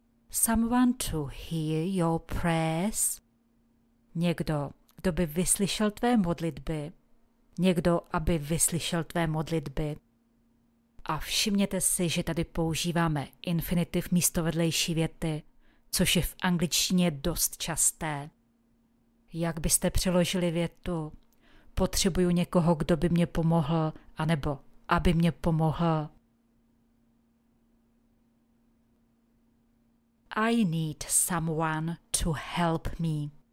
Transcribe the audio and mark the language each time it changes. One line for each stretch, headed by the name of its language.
English: Someone to hear your prayers.
Czech: Někdo, kdo by vyslyšel tvé modlitby. Někdo, aby vyslyšel tvé modlitby. A všimněte si, že tady používáme infinitiv místo vedlejší věty, což je v angličtině dost časté. Jak byste přeložili větu? Potřebuju někoho, kdo by mě pomohl, anebo aby mě pomohl.
English: I need someone to help me.